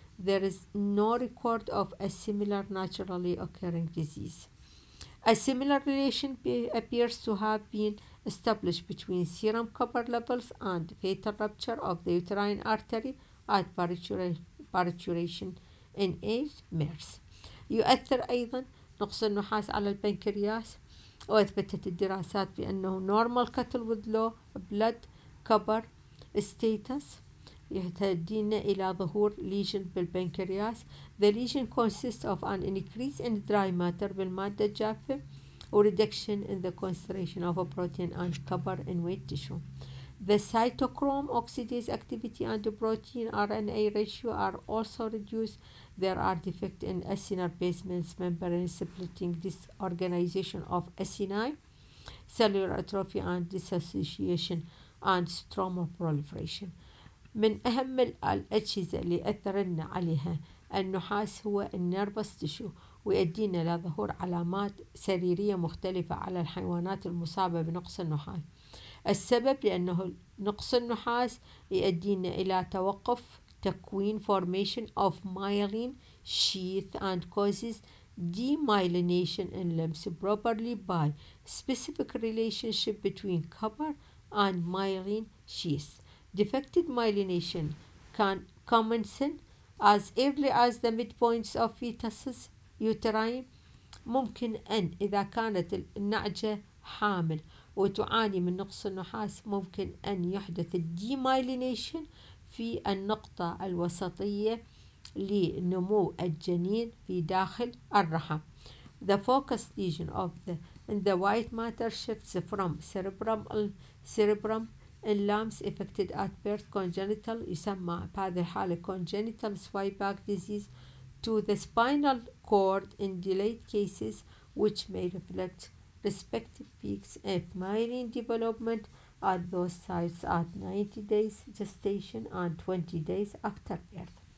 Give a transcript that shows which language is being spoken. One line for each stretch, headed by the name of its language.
English: There is no record of a similar naturally occurring disease. A similar relation appears to have been established between serum copper levels and fatal rupture of the uterine artery at parturition in aged mares.
Arabic: يؤثر أيضا نقص النحاس على البنكرياس وأثبتت الدراسات بأنه
English: normal cattle with low blood copper status
Arabic: يهتدين إلى ظهور lesion بالبنكرياس.
English: The lesion consists of an increase in dry matter
Arabic: بالمادة الجافة
English: or reduction in the concentration of a protein and copper in wet tissue. The cytochrome oxidase activity and the protein RNA ratio are also reduced. There are defects in acinar basement membrane splitting disorganization of acini, cellular atrophy and dissociation and stroma proliferation.
Arabic: من أهم الأجهزة اللي أثرنا عليها النحاس هو النيرفس تيشو ويؤدينا إلى ظهور علامات سريرية مختلفة على الحيوانات المصابة بنقص النحاس. السبب لأنه نقص النحاس يؤدينا إلى توقف تكوين
English: formation of myelin sheath and causes demyelination in limbs properly by specific relationship between copper and myelin sheath. Defective myelination can commence as early as the midpoints of fetus's uterine.
Arabic: ممكن أن إذا كانت النعجة حامل وتعاني من نقص النحاس ممكن أن يحدث الديمايلينيشن في النقطة الوسطية لنمو الجنين في داخل الرحم.
English: The focus lesion of the in the white matter shifts from cerebrum in lambs affected at birth congenital
Arabic: يسمى بهذه الحالة
English: congenital swipeback disease to the spinal cord in delayed cases which may reflect respective peaks of myelin development at those sites at 90 days gestation and 20 days after birth.